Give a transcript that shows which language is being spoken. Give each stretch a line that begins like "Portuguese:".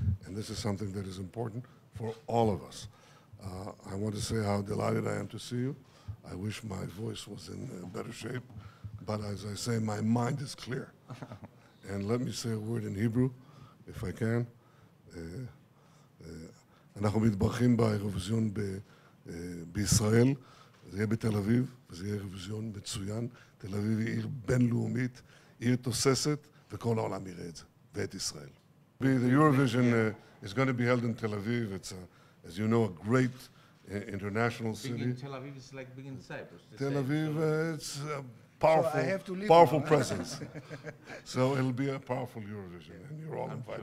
English: And this is something that is important for all of us. I want to say how delighted I am to see you. I wish my voice was in better shape. But as I say, my mind is clear. And let me say a word in Hebrew, if I can.
Hebrew: אנחנו מתברכים באירוויזיון בישראל, זה יהיה בתל אביב, וזה יהיה אירוויזיון מצוין. תל אביב היא עיר בינלאומית, עיר תוססת, וכל העולם יראה את זה, ואת ישראל.
English: The Eurovision is going to be held in Tel Aviv. It's, as you know, a great international city. Big in Tel Aviv is like big in Cyprus. Tel Aviv, it's a powerful, powerful presence. So it'll be a powerful Eurovision, and you're all invited.